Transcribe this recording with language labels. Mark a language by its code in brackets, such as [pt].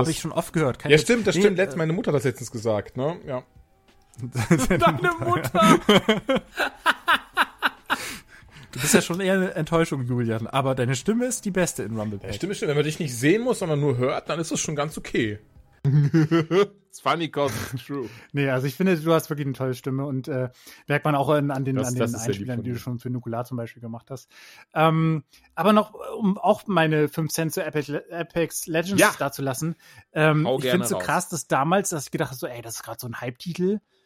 [de] Habe ich schon oft gehört. Kann ja, stimmt, das stimmt. Meine Mutter hat das letztens gesagt, ne? Ja. Deine Mutter! Du bist ja schon eher eine Enttäuschung, Julian, aber deine Stimme ist die beste in Rumble Pack. Stimme, wenn man dich nicht sehen muss, sondern nur hört, dann ist das schon ganz okay. [en] It's funny because it's true. [de] Nee, also ich finde, du hast wirklich eine tolle Stimme und merkt man auch an den Einspielern, die du schon für Nukular zum Beispiel gemacht hast. Aber noch, um auch meine 5 Cent zu Apex Legends dazulassen. Ich finde es so krass, dass damals, dass ich gedacht habe, so, ey, das ist gerade so ein Hype-Titel.